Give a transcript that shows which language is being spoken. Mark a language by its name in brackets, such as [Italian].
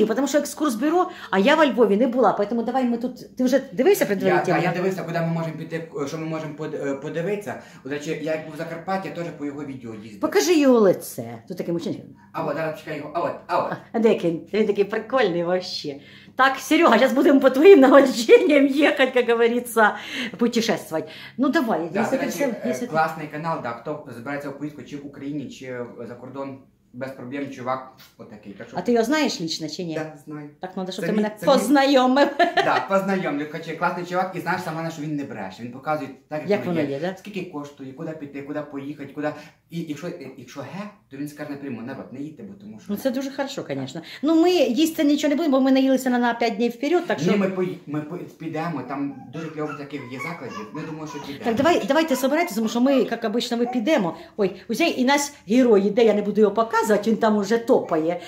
[Ukrainian] Вірю, тому що екскурсбюро, а я во Львові не була, тому давай ми тут, ти вже дивився предварительно? Я дивився, куди ми можемо піти, що ми можемо подивитися, от речі, я як був в Закарпатті, я теж по його відео їздив. Покажи його лице, тут такий мужчина. А от, зараз чекай його, а от, а от. Дякий, він такий прикольний вообще. [Russian] Так, Серега, сейчас будем по твоим наводчениям ехать, как говорится, путешествовать. Ну давай. Да, классный канал, да, кто собирается в поездку, [Ukrainian] чи в Украине, чи за кордон, [Russian] без проблем, чувак, вот такой. Так, а ты ее знаешь лично, чи нет? Да, знаю. Так надо, чтобы ты меня познайомил. Да, познайомил, хоча классный чувак, и знаешь, самое, что он не брешь, он показывает, так, как воно є, да? [Ukrainian] Скільки коштує, куда піти, куда поехать, куда... І якщо ге, то він скаже напряму, народ, не їдьте, бо тому що... Ну це дуже хорошо, звісно. Ну ми їсти нічого не будемо, бо ми наїлися на 5 днів вперед, так що... Ні, ми підемо, там дуже кльово таких є закладів, ми думаємо, що підемо. Так, давайте собирайтеся, тому що ми, як звичайно, ми підемо. Ой, ось і наш герой йде, я не буду його показувати, він там вже топає.